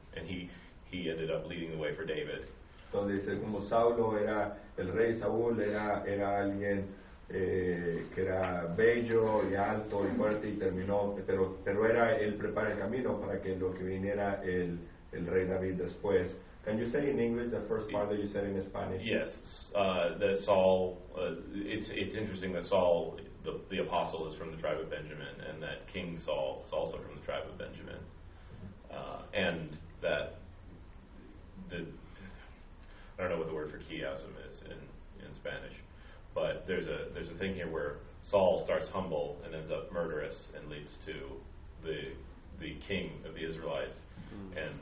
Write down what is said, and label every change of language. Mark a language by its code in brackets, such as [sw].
[en] And he ended up leading the way for David. [es] Entonces, como Saulo era el rey, Saúl era alguien que era bello y alto y fuerte y terminó, pero era él prepara el camino para que lo que viniera el rey David después. [en] Can you say in English the first part that you said in Spanish? Yes, that Saul, it's interesting that Saul, the apostle, is from the tribe of Benjamin, and that King Saul is also from the tribe of Benjamin, and that the, I don't know what the word for chiasm is in Spanish, but there's a thing here where Saul starts humble and ends up murderous and leads to the king of the Israelites, mm-hmm.